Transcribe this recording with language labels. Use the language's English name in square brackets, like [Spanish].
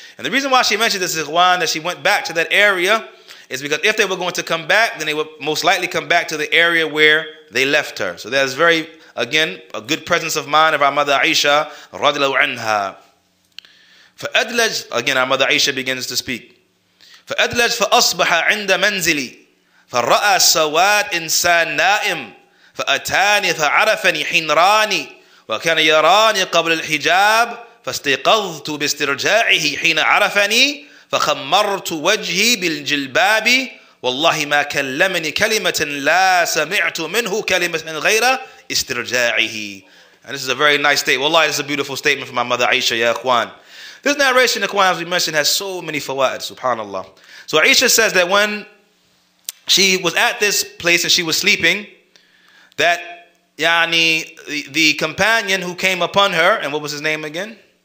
[English] And the reason why she mentioned this is, Ikhwan, that she went back to that area, is because if they were going to come back, then they would most likely come back to the area where they left her. So that is very, again, a good presence of mind of our mother Aisha, radiallahu anha. [Arabic] فأدلج, [English] again, our mother Aisha begins to speak. [Arabic] فأدلج فأصبح عند منزلي فرأى سواد إنسان نائم فأتاني فعرفني حين راني وكان يراني قبل الحجاب فاستيقظت باسترجاعه حين عرفني فخمرت وجهي بالجلباب والله ما كلمني كلمة لا سمعت منه كلمة غير استرجاعه. [English] And this is a very nice statement. Wallahi, this is a beautiful statement from my mother Aisha, ya Ikhwan. This narration, Ikhwan, as we mentioned, has so many fawaid, subhanAllah. So Aisha says that when she was at this place and she was sleeping, that yani the companion who came upon her, and what was his name again?